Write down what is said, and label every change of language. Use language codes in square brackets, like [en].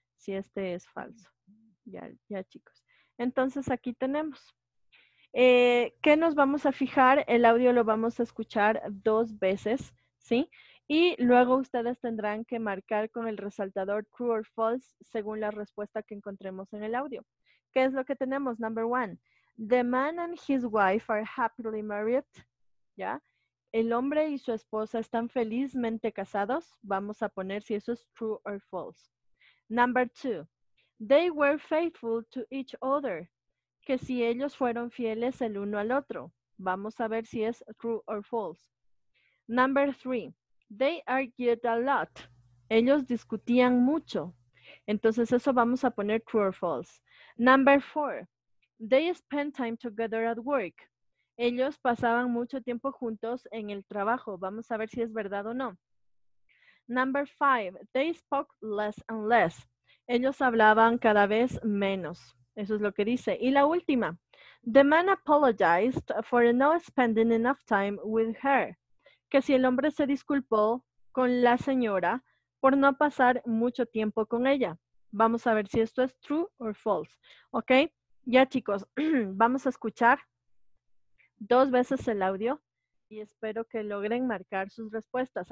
[es] Si este es falso. Ya, chicos. Entonces, aquí tenemos. ¿Qué nos vamos a fijar? El audio lo vamos a escuchar dos veces, ¿sí? Y luego ustedes tendrán que marcar con el resaltador true or false según la respuesta que encontremos en el audio. ¿Qué es lo que tenemos? [en] Number one, the man and his wife are happily married, ¿ya? [es] El hombre y su esposa están felizmente casados. Vamos a poner si eso es true or false. [en] Number two, they were faithful to each other. [es] Que si ellos fueron fieles el uno al otro. [en] Vamos a ver si es true or false. Number three, they argued a lot. [es] Ellos discutían mucho. Entonces, eso vamos a poner true or false. [en] Number four, they spent time together at work. [es] Ellos pasaban mucho tiempo juntos en el trabajo. Vamos a ver si es verdad o no. Number five, they spoke less and less. Ellos hablaban cada vez menos. Eso es lo que dice. Y la última. [en] The man apologized for not spending enough time with her. [es] Que si el hombre se disculpó con la señora por no pasar mucho tiempo con ella. Vamos a ver si esto es true or false. ¿Ok? Ya, chicos, vamos a escuchar dos veces el audio y espero que logren marcar sus respuestas.